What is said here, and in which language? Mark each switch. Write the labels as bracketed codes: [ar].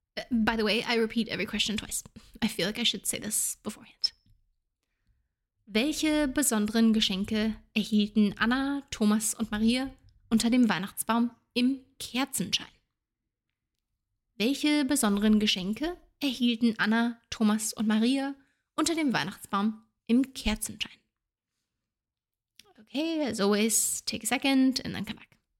[en] By the way, I repeat every question twice. I feel like I should say this beforehand. [de] Welche besonderen Geschenke erhielten Anna, Thomas und Maria unter dem Weihnachtsbaum im Kerzenschein? Welche besonderen Geschenke erhielten Anna, Thomas und Maria unter dem Weihnachtsbaum im Kerzenschein? [en] Okay, as always, take a second and then come back.